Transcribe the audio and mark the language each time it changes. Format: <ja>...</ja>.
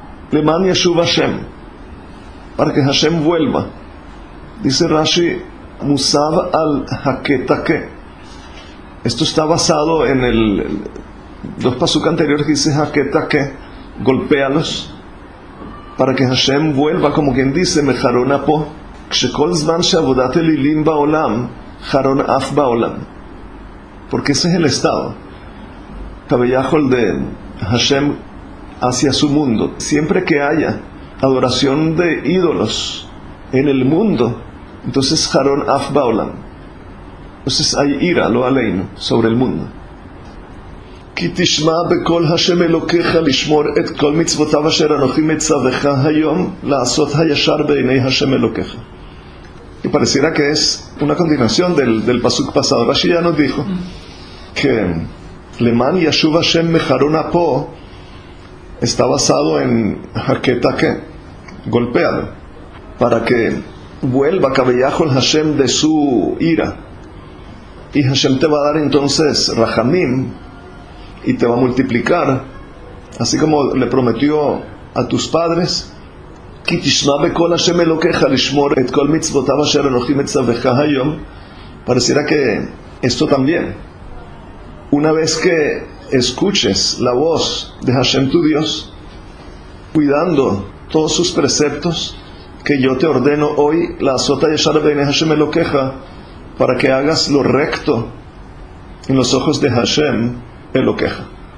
<he>Leman yashuv Hashem,</he> <es>para que Hashem vuelva. Dice Rashi</es> <he>musav al haketake,</he> <es>esto está basado en los pasuk anteriores que dice haketake, golpéalos para que Hashem vuelva, como quien dice</es> <he>mejaron apó. כשכל זמן שעבודת אלילים בעולם, חרון אף בעולם.</he> <es>Porque ese es el estado. Kabeyahol de Hashem hacia su mundo. Siempre que haya adoración de ídolos en el mundo, entonces</es> <he>חרון אף בעולם.</he> <es>Entonces hay ira, lo aleino, sobre el mundo.</es> <he>כי תשמע בכל השם אלוקיך לשמור את כל מצוותיו אשר אנוכי מצווך היום לעשות הישר בעיני השם אלוקיך.</he> <es>Y pareciera que es una continuación del pasuk pasado. Rashi ya nos dijo que</es> <he>Leman Yashuv Hashem Mejaron Apo</he> <es>está basado en Haketake, golpéalo, para que vuelva Kabeyahol Hashem de su ira. Y Hashem te va a dar entonces Rahamim y te va a multiplicar, así como le prometió a tus padres.</es> <he>כי תשמע בכל השם אלוקיך לשמור את כל מצוותיו אשר אנוכי מצווך היום.</he> <es>Pareciera que esto también, una vez que escuches la voz de Hashem tu Dios, cuidando todos sus preceptos que yo te ordeno hoy,</es> <he>la azota yashar bene Hashem Elokeja,</he> <es>para que hagas lo recto en los ojos de Hashem Elokeja.</es>